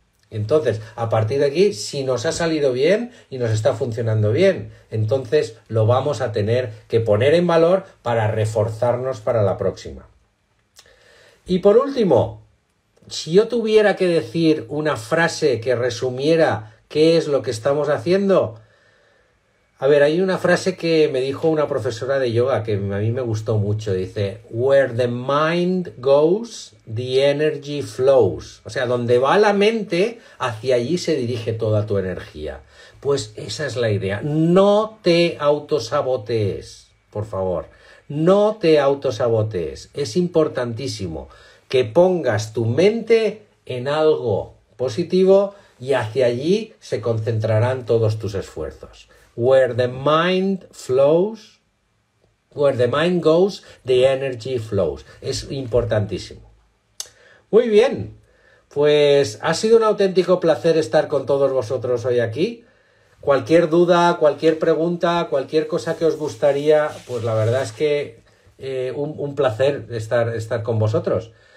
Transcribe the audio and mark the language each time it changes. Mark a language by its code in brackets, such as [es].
[es] Entonces, a partir de aquí, si nos ha salido bien y nos está funcionando bien, entonces lo vamos a tener que poner en valor para reforzarnos para la próxima. Y por último, si yo tuviera que decir una frase que resumiera qué es lo que estamos haciendo, a ver, hay una frase que me dijo una profesora de yoga que a mí me gustó mucho. [en] Dice, Where the mind goes, the energy flows. [es] O sea, donde va la mente, hacia allí se dirige toda tu energía. Pues esa es la idea. No te autosabotees, por favor. No te autosabotees. Es importantísimo que pongas tu mente en algo positivo y hacia allí se concentrarán todos tus esfuerzos. [en] Where the mind flows, where the mind goes, the energy flows. [es] Es importantísimo. Muy bien, pues ha sido un auténtico placer estar con todos vosotros hoy aquí. Cualquier duda, cualquier pregunta, cualquier cosa que os gustaría, pues la verdad es que un placer estar con vosotros.